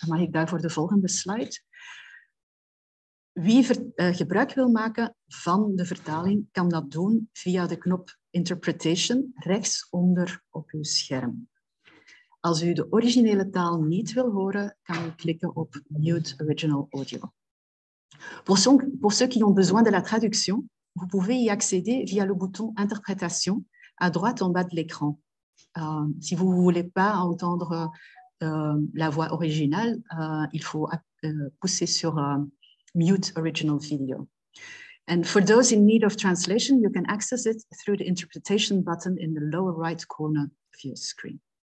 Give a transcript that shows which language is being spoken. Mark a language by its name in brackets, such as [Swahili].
[Dutch] Mag ik daarvoor de volgende slide? Wie gebruik wil maken van de vertaling, kan dat doen via de knop Interpretation rechtsonder op uw scherm. Als u de originele taal niet wil horen, kan u klikken op Mute Original Audio. [French] Pour ceux qui ont besoin de la traduction, vous pouvez y accéder via le bouton Interprétation à droite en bas de l'écran. Si vous ne voulez pas entendre la voix originale, il faut pousser sur Mute Original Video. [English] And for those in need of translation, you can access it through the interpretation button in the lower right corner of your screen.